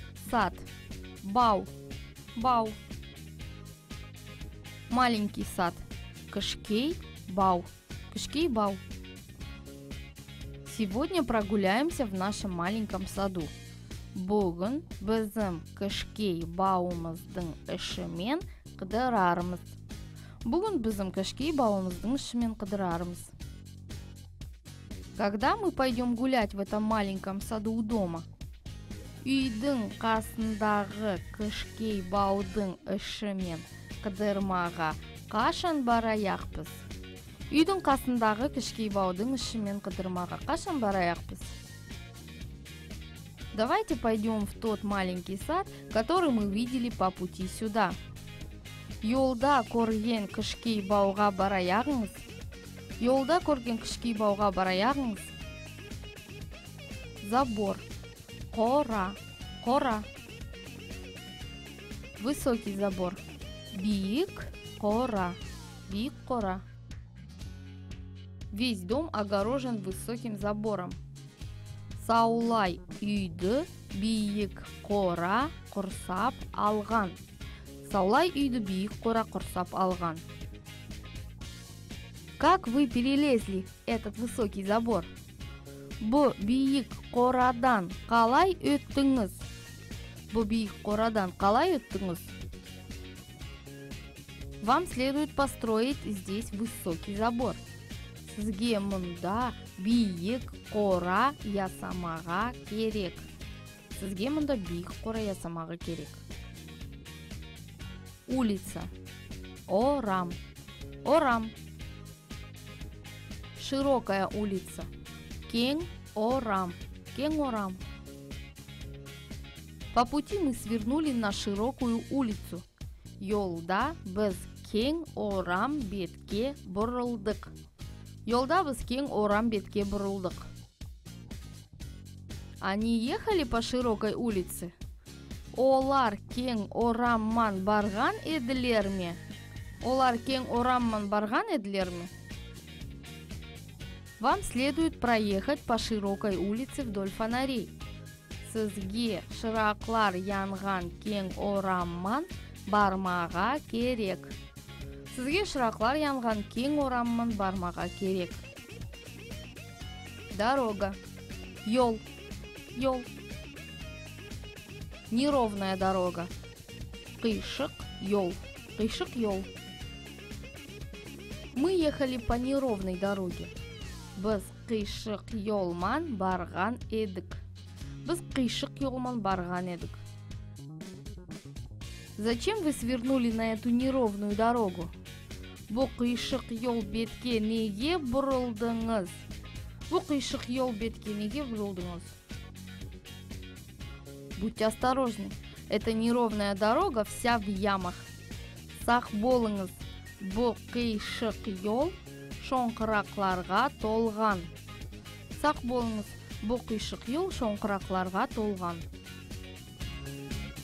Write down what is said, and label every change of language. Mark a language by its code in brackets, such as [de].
[nog] Сад. Бау. Бау. [ru] Маленький сад. [nog] Кышкей бау. Кышкей бау. [ru] Сегодня прогуляемся в нашем маленьком саду. [nog] Бүгін бізім кішкей бауымыздың ішімен қыдырармыз. Бүгін бізім кішкей бауымыздың ішімен қыдырармыз. [ru] Когда мы пойдем гулять в этом маленьком саду у дома? [nog] Үйдің қасындағы кішкей баудың ішімен қыдырмаға қашан бараяқпыз? Үйдің қасындағы кішкей баудың ішімен қыдырмаға қашан бараяқпыз? [ru] Давайте пойдем в тот маленький сад, который мы видели по пути сюда. [nog] Йолда корген кышкей бауға бараяғыңыз. Йолда корген кышкей бауға бараяғыңыз. Забор. Кора. Кора. [ru] Высокий забор. [nog] Биік кора. Биік кора. [ru] Весь дом огорожен высоким забором. [nog] Саулай үйді биік қора құрсап алған. Саулай үйді биік қора құрсап алған. [ru] Как вы перелезли этот высокий забор? [nog] Бұ биік қорадан қалай өттіңіз? Бұ биік қорадан қалай өттіңіз? [ru] Вам следует построить здесь высокий забор. [nog] Сізге мұнда биік қора ясамаға керек. Сізге мұнда биік қора ясамаға керек. Улица. Орам. Орам. [ru] Широкая улица. [nog] Кең орам. Кең орам. [ru] По пути мы свернули на широкую улицу. [nog] Йолда біз кең орам бетке бұрылдық. Йолда біз кең орам бетке бұрылдық. [ru] Они ехали по широкой улице. [nog] Олар кең ораман барған еділер ме? Олар кең ораман барған еділер ме? [ru] Вам следует проехать по широкой улице вдоль фонарей. [nog] Сізге шырақлар янған кең ораман бармаға керек. Сізге шырақлар янған кең ораман бармаға керек. Дорога. Йол. Йол. [ru] Неровная дорога. [nog] Кышык йол. Кышык йол. [ru] Мы ехали по неровной дороге. [nog] Біз кышык йолман барған едік. Біз кышык йолман барған едік. [ru] Зачем вы свернули на эту неровную дорогу? [nog] Бұл қишық йол бетке неге бұрылдыңыз? Бұл қишық йол бетке неге бұрылдыңыз? [ru] Будьте осторожны. Эта неровная дорога вся в ямах. [nog] Сақ болыңыз. Бұл қишық йол шоңқырақларға толған. Сақ болыңыз. Бұл қишық йол шоңқырақларға толған.